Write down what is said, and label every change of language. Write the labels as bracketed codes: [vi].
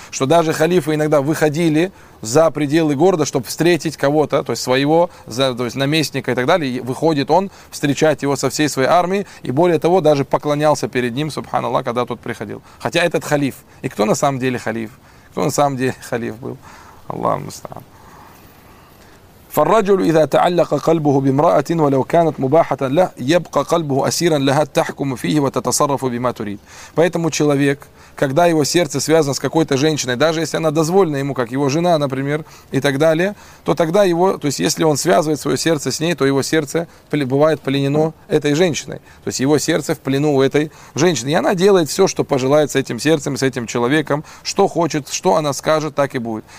[ru] Что даже халифы иногда выходили за пределы города, чтобы встретить кого-то, то есть своего, то есть наместника и так далее. И выходит он встречать его со всей своей армией. И более того, даже поклонялся перед ним, субханаллах, когда тот приходил. Хотя этот халиф. И кто на самом деле халиф? Кто на самом деле халиф был? Аллах мустаан. [ar] فالرجل إذا تعلق قلبه بامرأة ولو كانت مباحة له يبقى قلبه أسيرا لها تحكم فيه وتتصرف بما تريد. [ru] Поэтому человек, когда его сердце связано с какой-то женщиной, даже если она дозволена ему, как его жена, например, и так далее, то тогда его, то есть если он связывает свое сердце с ней, то его сердце бывает пленено этой женщиной. То есть его сердце в плену у этой женщины. И она делает все, что пожелает с этим сердцем, с этим человеком, что хочет, что она скажет, так и будет.